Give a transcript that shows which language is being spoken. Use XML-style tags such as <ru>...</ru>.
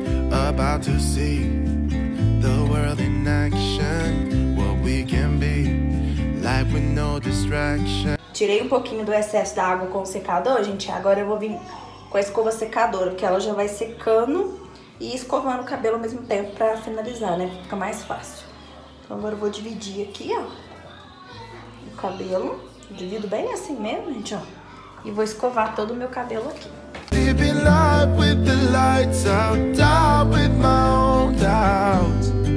<en>About to see the world in action, what we can be, life with no distraction.</en> <pt>Tirei um pouquinho do excesso da água com o secador, gente, agora eu vou vir com a escova secadora, porque ela já vai secando e escovando o cabelo ao mesmo tempo pra finalizar, né? Fica mais fácil. Então agora eu vou dividir aqui, ó, o cabelo. Eu divido bem assim mesmo, gente, ó. E vou escovar todo o meu cabelo aqui.</pt> <en>Living life with the lights out, down with my own doubts.</en>